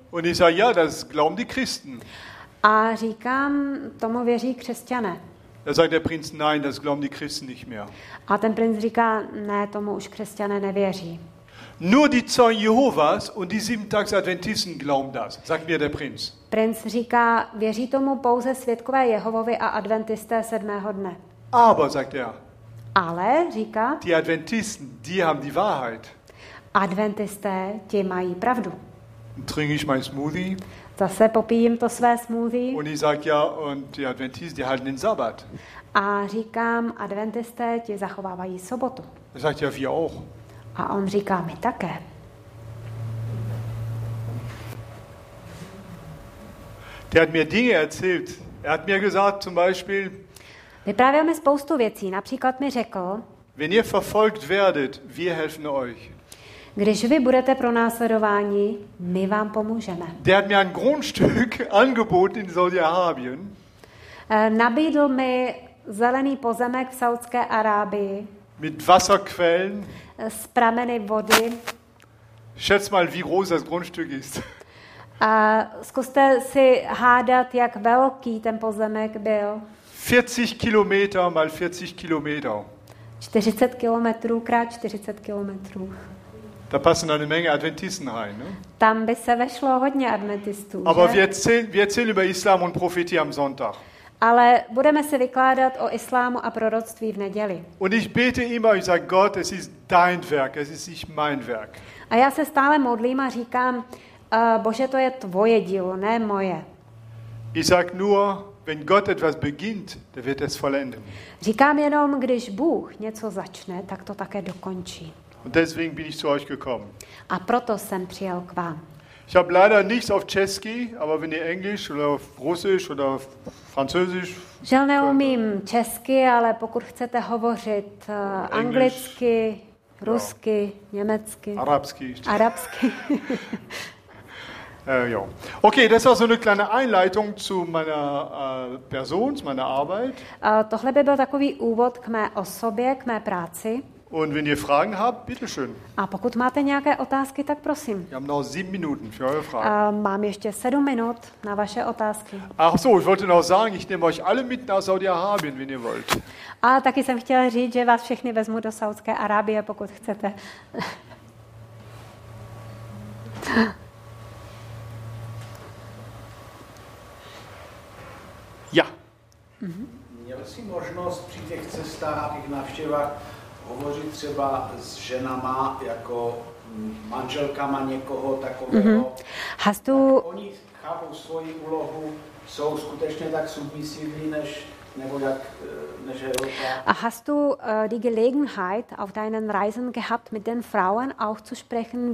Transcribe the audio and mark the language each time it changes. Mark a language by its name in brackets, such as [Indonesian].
[German] Und ich sage, ja, das glauben die Christen. [Czech] A říkám, tomu věří křesťané. [German] Da sagt der Prinz, nein, das glauben die Christen nicht mehr. [Czech] A ten princ říká, ne, tomu už křesťané nevěří. [German] Nur die Zeugen Jehovas und die Siebentags-Adventisten glauben das, sagt mir der Prinz. [Czech] Prinz říká, věří tomu pouze svědkové Jehovovi a Adventisté sedmého dne. [German] Aber, sagt er, [Czech] ale, říká, [German] die Adventisten, die haben die Wahrheit. [Czech] Adventisté, ti mají pravdu. [German] Trinke ich mein Smoothie. [Czech] Zase popijím to své smoothie. [German] Und ich sag, ja, und die Adventisten, die halten den Sabbat. [Czech] A říkám, Adventisté, ti zachovávají sobotu. [German] Sagt ja, wir auch. [Czech] A on říká, my také. [German] Der hat mir Dinge erzählt. Er hat mir gesagt, zum Beispiel, [Czech] vyprávěl mi spoustu věcí. Například mi řekl, [German] wenn ihr verfolgt werdet, wir helfen euch. [Czech] Když vy budete pronásledováni, my vám pomůžeme. [German] Der hat mir ein Grundstück angeboten in Saudi-Arabien. [Czech] Nabídl mi zelený pozemek v Saudské Arábii. [German] Mit Wasserquellen. [Czech] S prameny vody. [German] Schätz mal, wie groß das Grundstück ist. [Czech] Zkuste si hádat, jak velký ten pozemek byl. [German] 40 kilometer mal 40 kilometer. [Czech] 40 kilometrů krát 40 kilometrů. [German] Da passen eine Menge Adventisten rein, ne? [Czech] Tam by se vešlo hodně adventistů. [German] Aber wir erzählen über Islam und Prophetie am Sonntag. [Czech] Ale budeme se vykládat o islámu a proroctví v neděli. [German] Und ich bete immer, ich sage, Gott, es ist dein Werk, es ist nicht mein Werk. [Czech] A já se stále modlím a říkám, Bože, to je tvoje dílo, ne moje. [German] Ich sag nur, wenn Gott etwas beginnt, der wird es vollenden. [Czech] Říkám jenom, když Bůh něco začne, tak to také dokončí. [German] Und deswegen bin ich zu euch gekommen. [Czech] A proto jsem přijel k vám. [German] Ich habe leider nichts auf Český, aber wenn ihr Englisch oder Russisch oder Französisch. [Czech] Žel neumím česky, ale pokud chcete hovořit anglicky, rusky, ja. Německy. Arabsky. Arabsky. [German] Ja. Okay, das war so eine kleine Einleitung zu meiner Person, zu meiner Arbeit. [Czech] Tohle by byl takový úvod k mé osobě, k mé práci. [German] Und wenn ihr Fragen habt, bitteschön. [Czech] A pokud máte nějaké otázky, tak prosím. [German] Wir haben noch 7 Minuten für eure Fragen. [Czech] Mám ještě 7 minut na vaše otázky. [German] Ach so, ich wollte noch sagen, ich nehme euch alle mit nach Saudi-Arabien, wenn ihr wollt. [Czech] A taky jsem chtěla říct, že vás všechny vezmu do Saudské Arábie, pokud chcete. [German] Ja. [Czech] Měl jsi možnost při těch cestách a těch návštěvách hovořit třeba s ženama jako manželkama někoho takového. Mm-hmm. [German] Hastu... [Czech] Tak oni chápou svoji úlohu, jsou skutečně tak submisivní, než nebo jak než Europa. [German] Hast du die Gelegenheit auf deinen Reisen gehabt, mit den Frauen auch zu sprechen?